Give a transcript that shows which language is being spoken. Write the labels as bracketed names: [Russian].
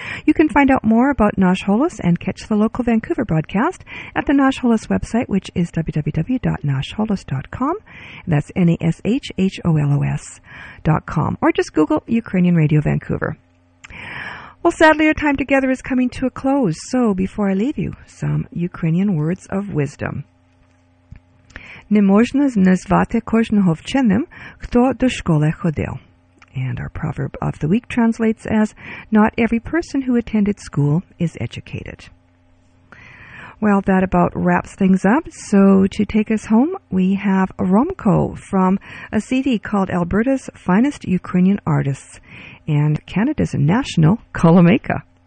[English] You can find out more about Nash Holos and catch the local Vancouver broadcast at the Nash Holos website, which is www.nashholos.com. That's NASHHOLOS.com. Or just Google Ukrainian Radio Vancouver. Well, sadly, our time together is coming to a close. So before I leave you, some Ukrainian words of wisdom. [Ukrainian] Не можна назвати кожного вченим, хто до школи ходив. [English] And our proverb of the week translates as, not every person who attended school is educated. Well, that about wraps things up. So to take us home, we have Romko from a CD called Alberta's Finest Ukrainian Artists and Canada's National Kolomeika.